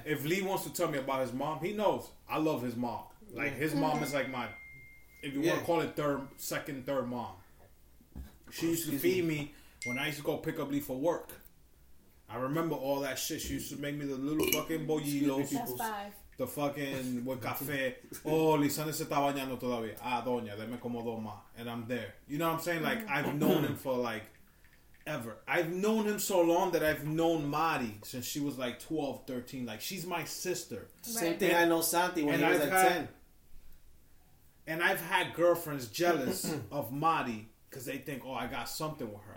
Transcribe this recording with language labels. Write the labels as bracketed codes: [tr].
[en] If Lee wants to tell me about his mom, he knows. I love his mom. Like, his mom is like my... If you want to call it second, third mom. She used to feed me when I used to go pick up Lee for work. I remember all that shit. She used to make me the little fucking bollitos. That's five. The fucking with cafe. [es] Oh, Lisanne se está bañando todavía. Ah, doña, deme como dos más. [en] And I'm there. You know what I'm saying? Like, I've known him for, like, ever. I've known him so long that I've known Mari since she was, like, 12, 13. Like, she's my sister. Same thing I know Santi when he was at 10. And I've had girlfriends jealous of Mari because they think, oh, I got something with her.